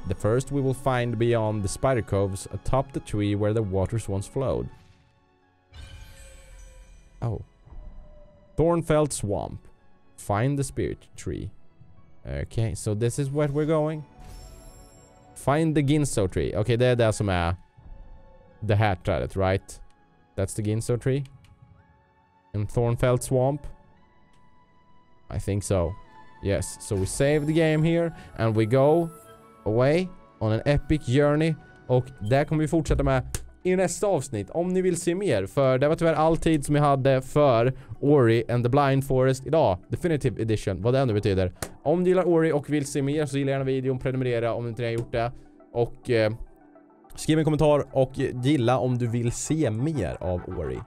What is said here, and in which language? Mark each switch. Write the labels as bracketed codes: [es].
[en] The first we will find beyond the spider coves atop the tree where the waters once flowed. Oh. Thornfeld Swamp. Find the spirit tree. Okay, so this is where we're going. Find the Ginso tree. [sv] Okay, det är det som är det här trädet, right? [en] That's the Ginso tree. And Thornfeld Swamp. I think so. Yes. So we save the game here. And we go away on an epic journey. [sv] Och där kommer vi fortsätta med i nästa avsnitt. Om ni vill se mer. För det var tyvärr all tid som jag hade för Ori and the Blind Forest idag. Definitive Edition. Vad det ändå betyder. Om du gillar Ori och vill se mer så gillar gärna videon. Prenumerera om ni inte har gjort det. Och skriv en kommentar och gilla om du vill se mer av Ori.